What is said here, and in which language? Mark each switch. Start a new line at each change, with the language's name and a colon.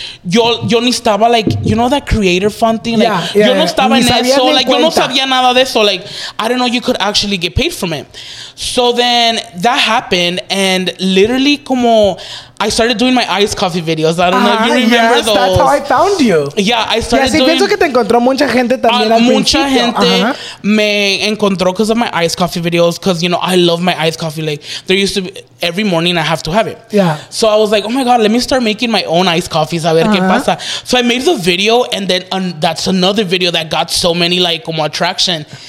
Spanish: Yo ni estaba,
English: like, you know, that creator fund thing? Like, yeah,
Spanish: yo no estaba en eso. Like, yo no sabía nada de eso.
English: Like, I don't know, you could actually get paid from it. So then that happened, and literally, como, I started doing my iced coffee videos. I don't know if you remember those. That's how I found you. Yeah, I started doing...
Spanish: Y así pienso que te encontró mucha gente también al principio. Mucha gente me encontró
English: because of my iced coffee videos. Because, you know, I love my iced coffee. Like, there used to be... Every morning I have to have it. Yeah. So I was like, oh my God, let me start making my own iced coffees.
Spanish: A ver qué pasa.
English: So I made the video. And then that's another video that got so many, like, como attraction.